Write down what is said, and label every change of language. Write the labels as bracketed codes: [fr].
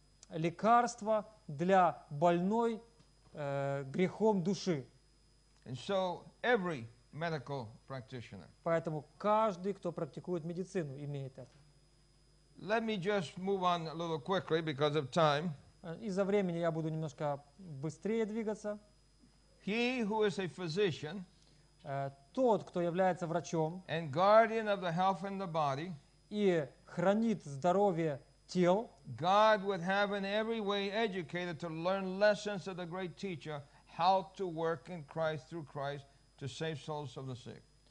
[ru] лекарство для больной грехом души. [en] And so every medical practitioner. [ru] Поэтому каждый, кто практикует медицину, имеет это. [en] Let me just move on a little quickly because of time. [ru] Из-за времени я буду немножко быстрее двигаться. [en] He who is a physician, [ru] тот, кто является врачом, [en] and guardian of the health in the body, [ru] и хранит здоровье тел, [en] God would have in every way educated to learn lessons of the great teacher how to work in Christ through Christ to save souls of the sick.